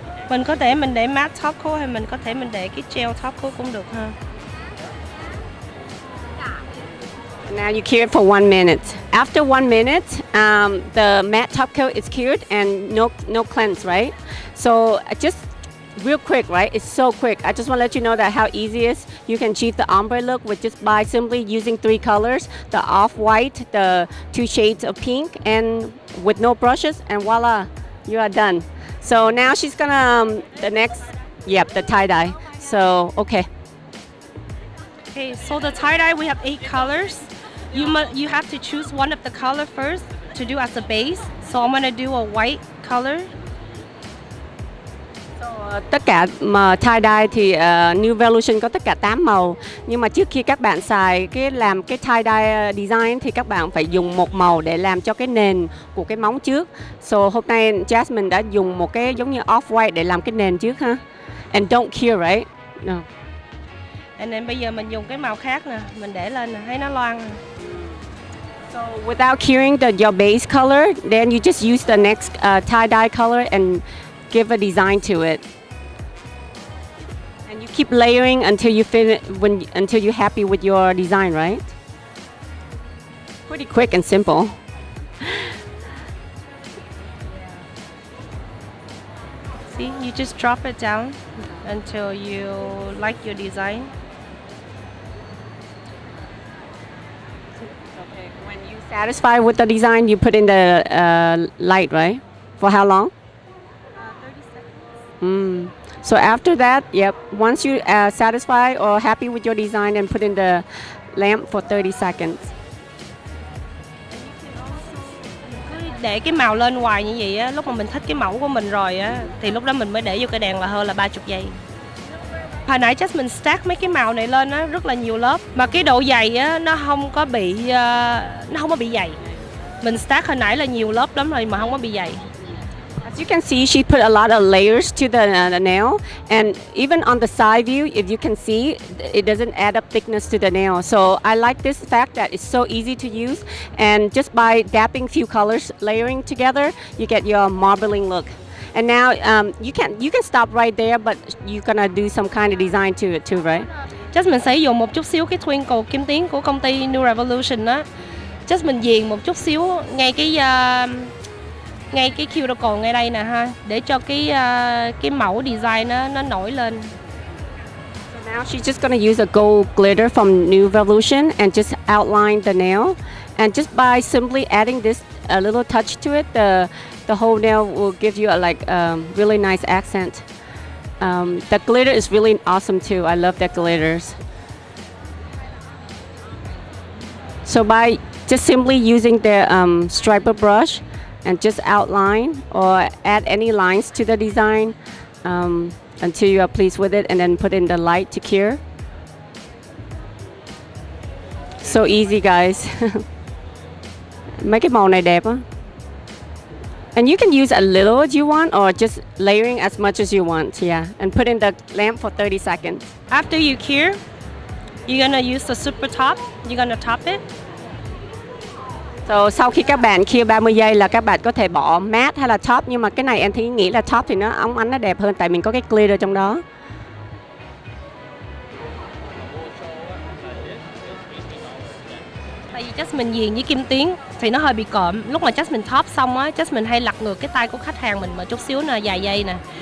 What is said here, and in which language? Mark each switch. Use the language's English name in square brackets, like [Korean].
[Vietnamese] Mình có thể mình để matte top coat hay mình có thể mình để cái gel top coat cũng được ha. [English] Now you cure it for 1 minute. After 1 minute, the matte top coat is cured and no cleanse, right? So just real quick, right? It's so quick. I just want to let you know that how easy it is. You can achieve the ombre look with just by simply using three colors, the off-white, the two shades of pink, and with no brushes, and voila, you are done. So now she's gonna, the tie-dye. So, okay. Okay, so the tie-dye, we have 8 colors. You have to choose one of the color first to do as a base. So I'm gonna do a white color. [Vietnamese] So tất cả mà tie dye thì New Revolution có tất cả 8 màu. Nhưng mà trước khi các bạn xài cái làm cái tie dye design thì các bạn phải dùng một màu để làm cho cái nền của cái móng trước. So hôm nay Jasmine đã dùng một cái giống như off white để làm cái nền trước ha. [English] And don't cure, right? No. And then [Vietnamese] bây giờ mình dùng cái màu khác nè, mình để lên nè, thấy nó loang. [English] So without curing your base color, then you just use the next tie-dye color and give a design to it. And you keep layering until you until you're happy with your design, right? Pretty quick and simple. See, you just drop it down until you like your design. Okay, when you're satisfied with the design, you put in the light, right? For how long? 30 seconds. Mm. So after that, yep, once you're satisfied or happy with your design, then put in the lamp for 30 seconds. [Vietnamese] Để cái màu lên hoài như vậy á, lúc mà mình thích cái mẫu của mình rồi á, thì lúc đó mình mới để vô cái đèn là hơn là 30 giây. Hồi nãy chắc mình stack mấy cái màu này lên á, rất là nhiều lớp. Mà cái độ dày á, nó không có bị dày. Mình stack hồi nãy là nhiều lớp lắm rồi mà không có bị dày. [English] As you can see, she put a lot of layers to the nail. And even on the side view, if you can see, it doesn't add up thickness to the nail. So I like this fact that it's so easy to use. And just by dapping few colors, layering together, you get your marbling look. And now you can stop right there, but you're gonna do some kind of design to it too, right? [Vietnamese] Just mình sẽ dùng một chút xíu cái twinkle kim tiến của công ty New Revolution đó. Just mình viền một chút xíu ngay cái cuticle ngay đây nè ha, để cho cái mẫu design nó nổi lên. [English] So now she's just gonna use a gold glitter from New Revolution and just outline the nail, and just by simply adding this a little touch to it, the whole nail will give you a really nice accent. The glitter is really awesome too. I love that glitters. So by just simply using the striper brush and just outline or add any lines to the design until you are pleased with it, and then put in the light to cure. So easy, guys. Make it [Vietnamese] màu này đẹp á. [English] And you can use as little as you want or just layering as much as you want, yeah. And put in the lamp for 30 seconds. After you cure, you're gonna use the super top, you're gonna top it. [Vietnamese] So sau khi các bạn cure 30 giây là các bạn có thể bỏ matte hay là top, nhưng mà cái này em thấy nghĩ là top thì nó óng ánh nó đẹp hơn tại mình có cái glitter trong đó. Tại vì Jasmine viền với kim tuyến thì nó hơi bị cộm. Lúc mà Jasmine top xong á, Jasmine hay lật ngược cái tay của khách hàng mình một chút xíu nè, vài giây nè.